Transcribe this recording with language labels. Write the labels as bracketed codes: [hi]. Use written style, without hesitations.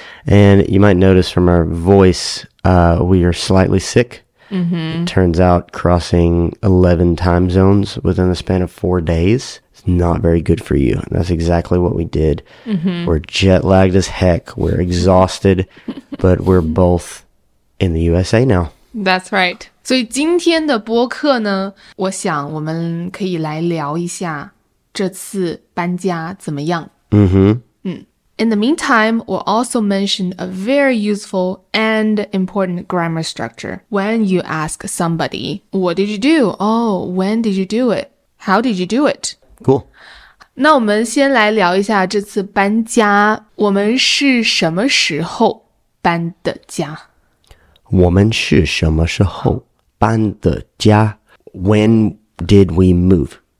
[en] And you might notice from our voice, we are slightly sick. Mm-hmm. It turns out crossing 11 time zones within the span of 4 days is not very good for you. And that's exactly what we did. Mm-hmm. We're jet lagged as heck. We're exhausted, but we're both in the USA now. That's right. [zh] 所以今天的播客呢，我想我们可以来聊一下这次搬家怎么样。 Mm-hmm. Mm. [en] In the meantime, we'll also mention a very useful and important grammar structure. When you ask somebody, what did you do? Oh, when did you do it? How did you do it? Cool. [zh] 那我们先来聊一下这次搬家。我们是什么时候搬的家？我们是什么时候搬的家？ [en] When did we move?